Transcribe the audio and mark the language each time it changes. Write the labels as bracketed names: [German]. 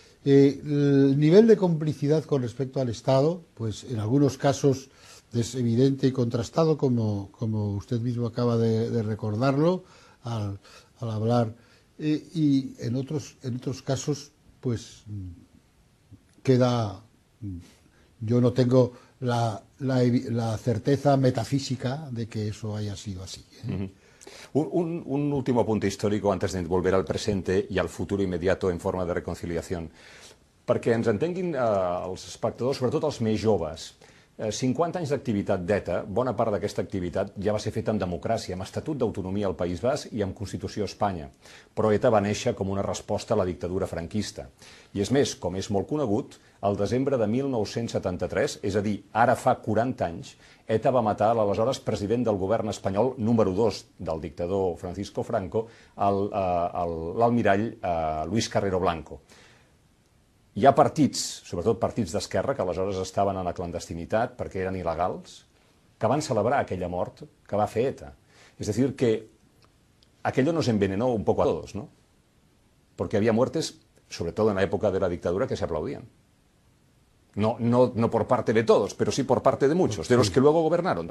[Spanish] El nivel de complicidad con respecto al Estado, pues en algunos casos es evidente y contrastado, como usted mismo acaba de recordarlo al hablar, y en otros casos, pues queda. Yo no tengo la certeza metafísica de que eso haya sido así, ¿eh? Un último apunte histórico antes de volver al presente y al futuro inmediato en forma de reconciliación. [Catalan] Perquè ens entenguin els espectadors, sobretot els més joves, 50 anys d'activitat d'ETA, bona part d'aquesta activitat ja va ser feta amb democràcia, amb estatut d'autonomia al País Basc i amb Constitució a Espanya. Però ETA va néixer com una resposta a la dictadura franquista. I és més, com és molt conegut, el desembre de 1973, és a dir, ara fa 40 anys, ETA va matar l'aleshores president del govern espanyol número 2 del dictador Francisco Franco, l'almirall Luis Carrero Blanco. Hi ha partits, sobretot partits d'esquerra, que aleshores estaven en la clandestinitat perquè eren il·legals, que van celebrar aquella mort que va fer ETA. És a dir, que [Spanish] aquello nos envenenó un poco a todos, ¿no? Porque había muertes, [Catalan] sobretot en l'època de la dictadura, [Spanish] que se aplaudien. No por parte de todos, pero sí por parte de muchos, de los que luego gobernaron.